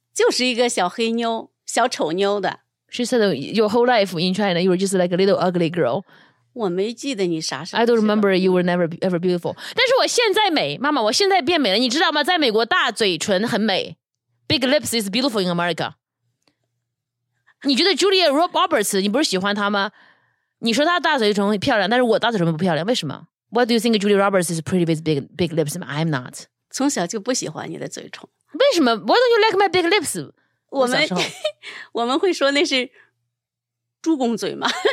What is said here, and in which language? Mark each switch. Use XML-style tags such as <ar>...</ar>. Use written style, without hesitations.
<zh>你从小长大就是一个小黑妞,小丑妞的。</zh> <en>She said, your whole life in China, you were just like a little ugly girl.</en> <zh>我没记得你啥时候。</zh> <en>I don't remember you were never ever beautiful.</en> <zh>但是我现在变美了,你知道吗? 在美国大嘴唇很美。</zh> <en>Big lips is beautiful in America.</en> <zh>你觉得Julia Roberts, 你不是喜欢她吗? 你说她大嘴唇漂亮,但是我大嘴唇不漂亮,为什么?</zh> <en>Why do you think Julia Roberts is pretty with big lips? I'm not.</en> <zh>从小就不喜欢你的嘴唇。为什么?</zh> <en>Why don't you like my big lips?</en> <zh>我们会说那是猪公嘴吗?</zh>